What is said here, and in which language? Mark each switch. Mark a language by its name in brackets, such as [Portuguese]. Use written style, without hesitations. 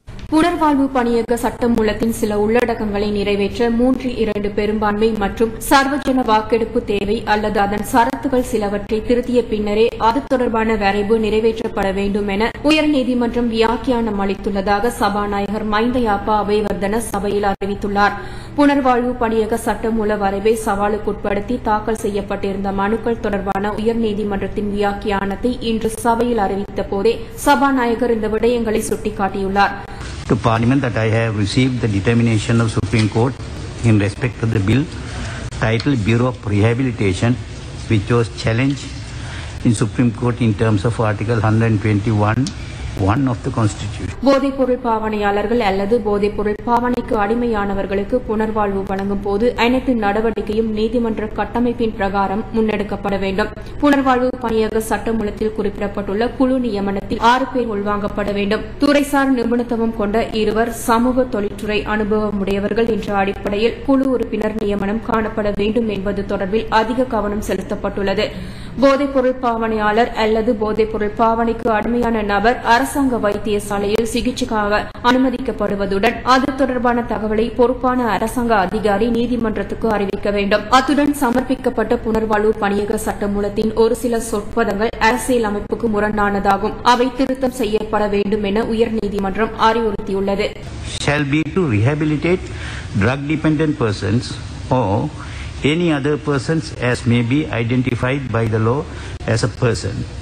[Tamil] புனர்வாழ்வு பணியக சட்டமூலத்தின் சில உள்ளடக்கங்களை நிறைவேற்ற 3/2 பெரும்பான்மை மற்றும் சர்வஜன வாக்கெடுப்பு தேவை அல்லது அதன் சரத்துகள் சிலவற்றை திருத்திய பின்னரே அது தொடர்பான வரைவு நிறைவேற்றப்பட வேண்டும் என உயர்நீதிமன்றம் வியாக்கியானம் அளித்துள்ளதாக சபாநாயகர் மஹிந்த யாப்பா அபிவர்த்தன சபையில் அறிவித்துள்ளார். புனர்வாழ்வு பணியக சட்டமூல வரைவை சவாலுக்குட்படுத்தி தாக்கல் செய்யப்பட்டிருந்த மனுக்கள் தொடர்பான உயர்நீதிமன்றத்தின் வியாக்கியானத்தை இன்று சபையில் அறிவித்த போதே சபாநாயகர் இந்த விடயங்களை சுட்டிக்காட்டியுள்ளார். [English] To Parliament that I have received the determination of Supreme Court in respect to the bill titled Bureau of Rehabilitation, which was challenged in Supreme Court in terms of Article 121(1) of the Constitution. [Tamil] போதைப்பொருள் பாவனையாளர்கள் அல்லது போதைப்பொருள் பாவனைக்கு அடிமையானவர்களுக்கு புனர்வாழ்வு வழங்கும் போது அனைத்து நடவடிக்கையும் நீதிமன்ற கட்டமைப்பின் பிரகாரம் முன்னெடுக்கப்பட வேண்டும். புனர்வாழ்வு பணியக சட்டமூலத்தில் குறிப்பிடப்பட்டுள்ள குழு நியமனத்தில் 6 பேர் உள்வாங்கப்பட வேண்டும். துறைசார் நிபுணத்துவம் கொண்ட 2 சமூக தொழிற்துறை அனுபவம் உடையவர்கள் என்ற அடிப்படையில் குழு உறுப்பினர் நியமனம் காணப்பட வேண்டும் என்பது தொடர்பில் அதிக கவனம் செலுத்தப்பட்டுள்ளது. போதைப்பொருள் பாவனையாளர் அல்லது போதைப்பொருள் பாவனைக்கு அடிமையான நபர் அரசாங்க வைத்தியசாலையில் சிகிச்சைக்காக அனுமதிக்கப்படுவதுடன் அது தொடர்பான தகவலை பொறுப்பான அரசாங்க அதிகாரி நீதிமன்றத்துக்கு அறிவிக்க வேண்டும். அத்துடன் சமர்ப்பிக்கப்பட்ட புனர்வாழ்வு பணியக சட்டமூலத்தின் ஒரு சில சொற்பதங்கள் அரசியல் அமைப்புக்கு முரணானதாகும். அவை திருத்தம் செய்யப்பட வேண்டும் என உயர்நீதிமன்றம் அறிவுறுத்தியுள்ளது. [English] Shall be to rehabilitate drug dependent persons or any other persons as may be identified by the law as a person.